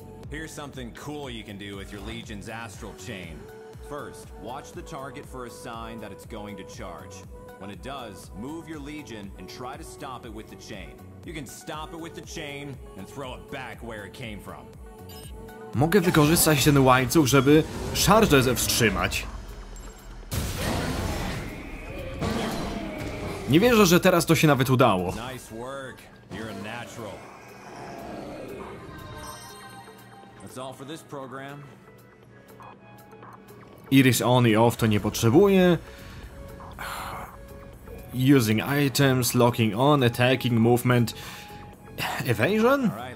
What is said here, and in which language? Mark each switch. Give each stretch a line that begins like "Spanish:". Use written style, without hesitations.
English: Here's something cool you can do with your Legion's Astral Chain. First, watch the target for a sign that it's going to charge. When it does, move your legion and try to stop it with the chain. You can stop it with the chain and throw it back where it came from.
Polish: Mogę wykorzystać ten łańcuch, żeby szarżę wstrzymać. Nie wierzę, że teraz to się nawet udało.
English: Nice work. You're a natural. That's all for this program.
Polish: Iris on i off to nie potrzebuję.
English: Using items, locking on, attacking, movement, evasion?